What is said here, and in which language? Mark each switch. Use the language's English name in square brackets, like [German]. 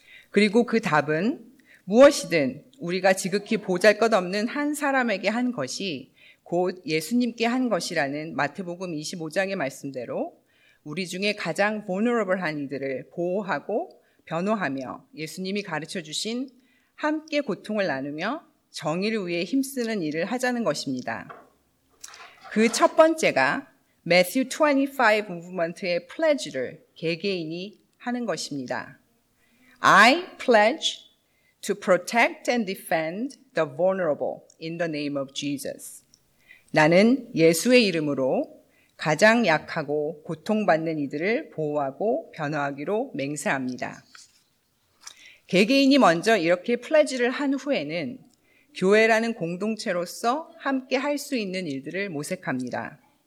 [Korean] 그리고 그 답은 무엇이든 우리가 지극히 보잘것없는 한 사람에게 한 것이 곧 예수님께 한 것이라는 마태복음 25장의 말씀대로 우리 중에 가장 vulnerable한 이들을 보호하고 변호하며 예수님이 가르쳐 주신 함께 고통을 나누며 정의를 위해 힘쓰는 일을 하자는 것입니다. 그 첫 번째가 Matthew 25 Movement의 pledge를 개개인이 하는 것입니다. [English] I pledge to protect and defend the vulnerable in the name of Jesus. [Korean] 나는 예수의 이름으로 가장 약하고 고통받는 이들을 보호하고 변호하기로 맹세합니다. 개개인이 먼저 이렇게 pledge를 한 후에는 교회라는 공동체로서 함께 할 수 있는 일들을 모색합니다.